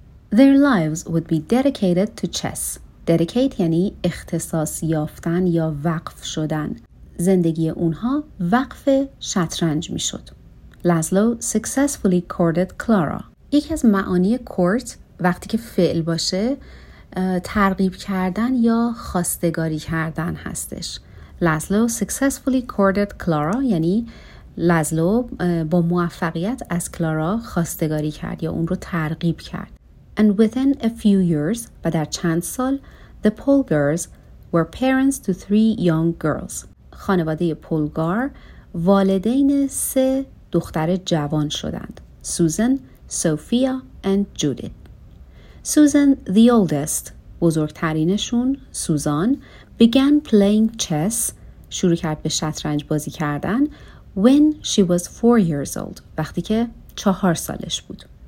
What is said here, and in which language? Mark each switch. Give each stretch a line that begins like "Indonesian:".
English: Their lives would be dedicated to chess.
Persian: Dedicate یعنی اختصاص یافتن یا وقف شدن. زندگی اونها وقف شطرنج می شد.
English: Laszlo successfully courted Clara.
Persian: یکی از معانی court وقتی که فعل باشه ترغیب کردن یا خواستگاری کردن هستش. لازلو
English: successfully courted
Persian: کلارا، یعنی لازلو با موفقیت از کلارا خواستگاری کرد یا اون رو ترغیب کرد.
English: And within a few years،
Persian: و در چند سال،
English: the Polgars were parents to three young girls.
Persian: خانواده پولگار والدین سه دختر جوان شدند.
English: Susan, Sophia and Judith. Susan the oldest،
Persian: بزرگترینشون سوزان،
English: began playing chess،
Persian: شروع کرد به شطرنج بازی کردن،
English: when she was 4 years old،
Persian: وقتی که 4 سالش بود.